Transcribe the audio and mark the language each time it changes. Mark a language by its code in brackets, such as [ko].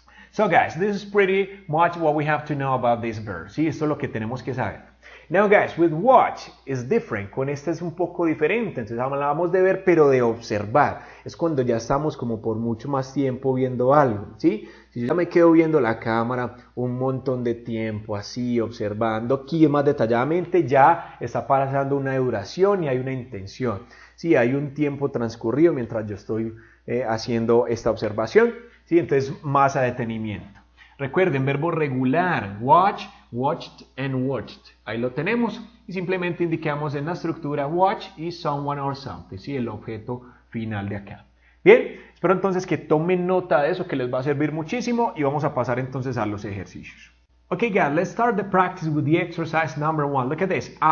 [en] So guys, this is pretty much what we have to know about this verb, ¿sí? [es] Esto es lo que tenemos que saber. [en] Now guys, with watch is different, [es] con este es un poco diferente, entonces hablábamos de ver pero de observar, es cuando ya estamos como por mucho más tiempo viendo algo, ¿sí? Si yo ya me quedo viendo la cámara un montón de tiempo así observando aquí más detalladamente, ya está pasando una duración y hay una intención, ¿sí? Hay un tiempo transcurrido mientras yo estoy haciendo esta observación, ¿sí? Entonces más a detenimiento. Recuerden, verbo regular, watch, watched and watched. Ahí lo tenemos y simplemente indicamos en la estructura watch y someone or something, ¿sí? El objeto final de acá. Bien, espero entonces que tomen nota de eso que les va a servir muchísimo y vamos a pasar entonces a los ejercicios. [en] Ok, guys, let's start the practice with the exercise number one. Look at this.